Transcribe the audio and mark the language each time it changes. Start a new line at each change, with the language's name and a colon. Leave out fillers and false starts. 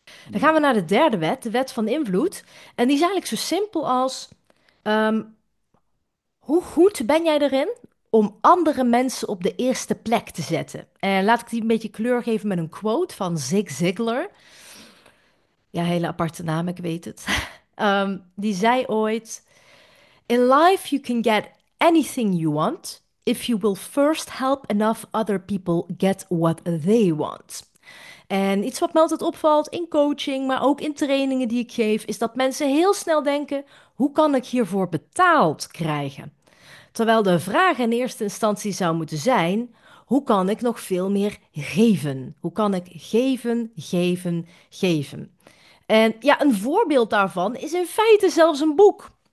Dutch: Dan gaan we naar de derde wet, de wet van invloed. En die is eigenlijk zo simpel als, hoe goed ben jij erin om andere mensen op de eerste plek te zetten? En laat ik die een beetje kleur geven met een quote van Zig Ziglar. Ja, hele aparte naam, ik weet het. Die zei ooit,
English: in life you can get anything you want if you will first help enough other people get what they want.
Dutch: En iets wat me altijd opvalt in coaching, maar ook in trainingen die ik geef, is dat mensen heel snel denken: hoe kan ik hiervoor betaald krijgen? Terwijl de vraag in eerste instantie zou moeten zijn: hoe kan ik nog veel meer geven? Hoe kan ik geven, geven, geven? En ja, een voorbeeld daarvan is in feite zelfs een boek.